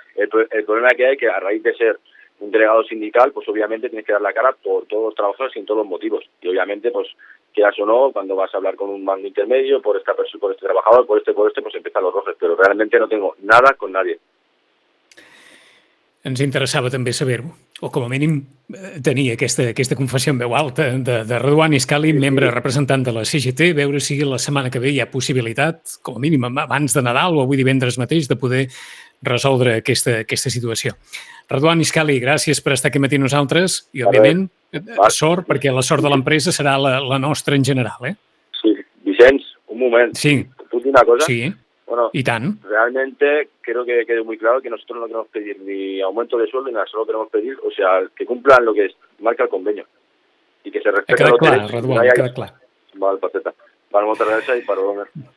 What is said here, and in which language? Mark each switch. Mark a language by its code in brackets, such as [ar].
[es] El problema que hay es que a raíz de ser un delegado sindical, pues obviamente tienes que dar la cara por todos los trabajadores y en todos los motivos. Y obviamente, pues, quieras o no, cuando vas a hablar con un mando intermedio, por esta persona, por este trabajador, por este, pues empiezan los roces. Pero realmente no tengo nada con nadie. [ca] Ens interessava també saber, o com a mínim tenir aquesta confessió en veu alta de Redouán Iscali, membre representant de la CGT, veure si la setmana que ve hi ha possibilitat, com a mínim abans de Nadal o avui divendres mateix, de poder resoldre aquesta situació. Redouán Iscali, gràcies per estar aquí matí nosaltres i, òbviament, sort, perquè la sort de l'empresa serà la nostra en general. Sí, Vicenç, un moment. Sí. Puc dir una cosa? Sí. Bueno, ¿y tan? [es] Realmente creo que quede muy claro que nosotros no queremos pedir ni aumento de sueldo, ni nada, solo queremos pedir, o sea, que cumplan lo que marca el convenio y que se respete los derechos. Queda claro, Redouán, queda claro. Vale, paceta. Vale, muchas gracias y para volver.